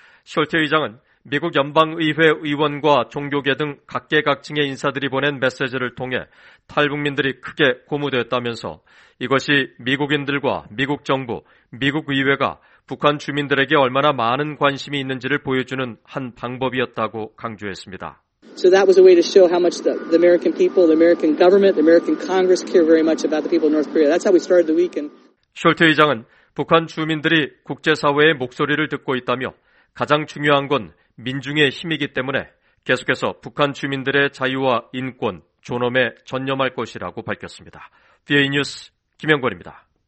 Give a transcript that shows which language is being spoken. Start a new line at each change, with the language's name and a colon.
Korean: 숄티 의장은 미국 연방의회 의원과 종교계 등 각계각층의 인사들이 보낸 메시지를 통해 탈북민들이 크게 고무됐다면서 이것이 미국인들과 미국 정부, 미국 의회가 북한 주민들에게 얼마나 많은 관심이 있는지를 보여주는 한 방법이었다고 강조했습니다.
English: So that was a way to show how much the American people, the American government, the American Congress care very much about the people of North Korea. That's how we started the weekend.
Korean: 숄티 의장은 북한 주민들이 국제사회의 목소리를 듣고 있다며 가장 중요한 건 민중의 힘이기 때문에 계속해서 북한 주민들의 자유와 인권, 존엄에 전념할 것이라고 밝혔습니다. VA 뉴스 김영권입니다.